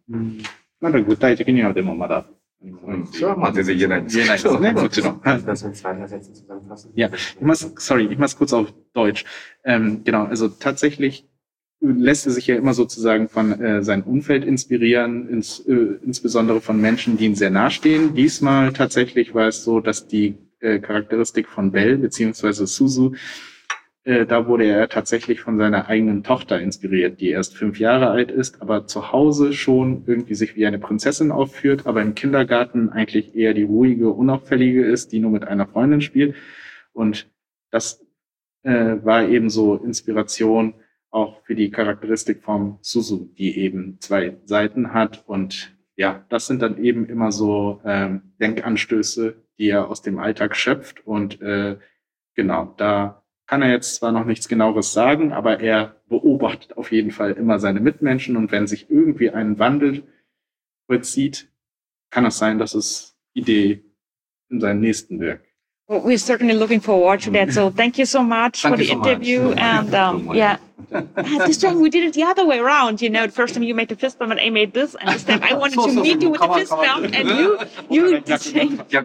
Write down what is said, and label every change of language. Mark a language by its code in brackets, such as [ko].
[ja] うん、まだ具体的にはでもまだ、それはまあ全然言えないんですけど。言えないですね、もちろん。 [de] Ja, ich mach's kurz auf Deutsch. Genau, also tatsächlich lässt er sich ja immer sozusagen von seinem Umfeld inspirieren, insbesondere von Menschen, die ihm sehr nahestehen. Diesmal tatsächlich war es so, dass die Charakteristik von Belle, beziehungsweise Suzu, da wurde er tatsächlich von seiner eigenen Tochter inspiriert, die erst 5 Jahre alt ist, aber zu Hause schon irgendwie sich wie eine Prinzessin aufführt, aber im Kindergarten eigentlich eher die ruhige, unauffällige ist, die nur mit einer Freundin spielt. Und das war eben so Inspiration auch für die Charakteristik von Suzu, die eben 2 Seiten hat. Und ja, das sind dann eben immer so Denkanstöße, die er aus dem Alltag schöpft. Und genau, da kann er jetzt zwar noch nichts Genaueres sagen, aber er beobachtet auf jeden Fall immer seine Mitmenschen. Und wenn sich irgendwie ein Wandel vollzieht, kann es sein, dass es Idee in seinem nächsten Werk. [en] Well, we're certainly looking forward to that. So thank you so much thank for the so interview. Much. And yeah, this time we did it the other way around. You know, the first time you made the fist bump and I made this. And this time I wanted to meet you with the fist bump and you did the same.